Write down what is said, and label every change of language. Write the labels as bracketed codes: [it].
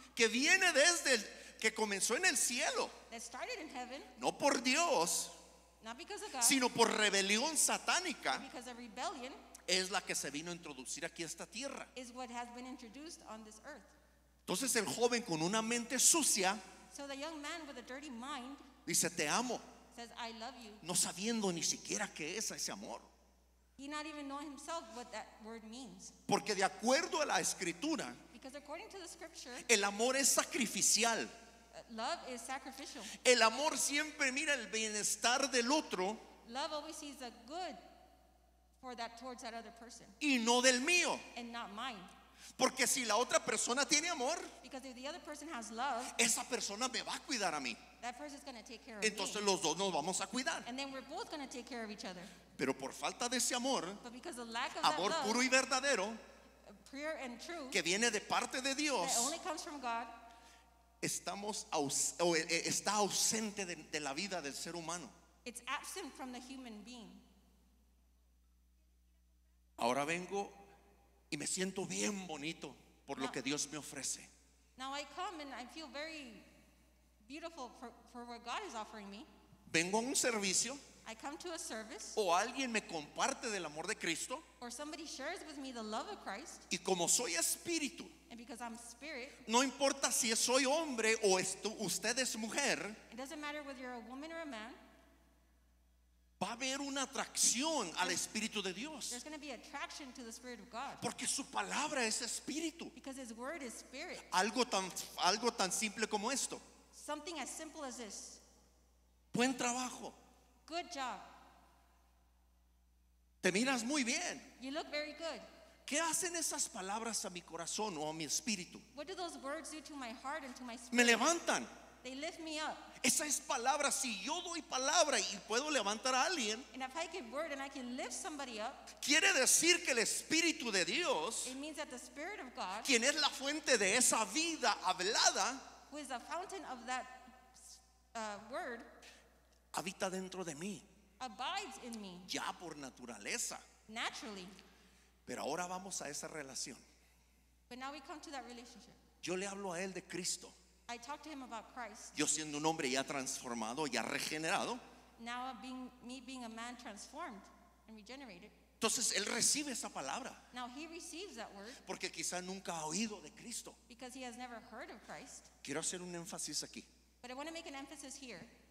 [es] que viene desde el, que comenzó en el cielo, [en] that started in heaven, [es] no por Dios, [en] not because of God, [es] sino por rebelión satánica, [en] because of rebellion, [es] es la que se vino a introducir aquí a esta tierra. [en] Is what has been introduced on this earth. [es] Entonces el joven con una mente sucia, [en] so the young man with a dirty mind, [es] dice te amo, [en] says, I love you, [es] no sabiendo ni siquiera qué es ese amor. [en] He not even know himself what that word means. [es] Porque de acuerdo a la escritura, [en] because according to the scripture, [es] el amor es sacrificial. [en] Love is sacrificial. [es] El amor siempre mira el bienestar del otro. [en] Love always sees the good for that, towards that other person. [es] Y no del mío. [en] And not mine. [es] Porque si la otra persona tiene amor, [en] because if the other person has love, [es] esa persona me va a cuidar a mí. [en] That person is going to take care of [es] me. Entonces los dos nos vamos a cuidar. [en] And then we're both going to take care of each other. [es] Pero por falta de ese amor, amor puro y verdadero, [en] pure and true, [es] que viene de parte de Dios, [en] that only comes from God, [es] está ausente de la vida del ser humano. [en] It's absent from the human being. [es] Ahora vengo y me siento bien bonito por lo que Dios me ofrece. [en] Now I come and I feel very beautiful for what God is offering me. [es] Vengo a un servicio. [en] I come to a service. [es] O alguien me comparte del amor de Cristo. [en] Or somebody shares with me the love of Christ. [es] Y como soy espíritu. [en] And because I'm spirit. [es] No importa si soy hombre o usted es mujer. [en] It doesn't matter whether you're a woman or a man. [es] Va a haber una atracción al Espíritu de Dios. [en] There's going to be attraction to the Spirit of God. [es] Porque su palabra es espíritu. [en] Because his word is spirit. [es] Algo tan simple como esto. [en] Something as simple as this. [es] Buen trabajo. [en] Good job. [es] Te miras muy bien. [en] You look very good. [es] ¿Qué hacen esas palabras a mi corazón o a mi espíritu? [en] What do those words do to my heart and to my spirit? [es] Me levantan. [en] They lift me up. [es] Esa es palabra. Si yo doy palabra y puedo levantar a alguien, [en] and if I give word and I can lift somebody up, [es] quiere decir que el Espíritu de Dios, [en] it means that the Spirit of God, [es] quien es la fuente de esa vida hablada, [en] who is the fountain of that word, [es] habita dentro de mí. [en] Abides in me. [es] Ya por naturaleza. [en] Naturally. [es] Pero ahora vamos a esa relación. [en] But now we come to that relationship. [es] Yo le hablo a él de Cristo. [en] I talk to him about Christ. [es] Yo siendo un hombre ya transformado, ya regenerado. [en] Now me being a man transformed and regenerated. [es] Entonces él recibe esa palabra. [en] Now he receives that word. [es] Porque quizá nunca ha oído de Cristo. [en] Because he has never heard of Christ. [es] Quiero hacer un énfasis aquí. [en] But I want to make an emphasis here.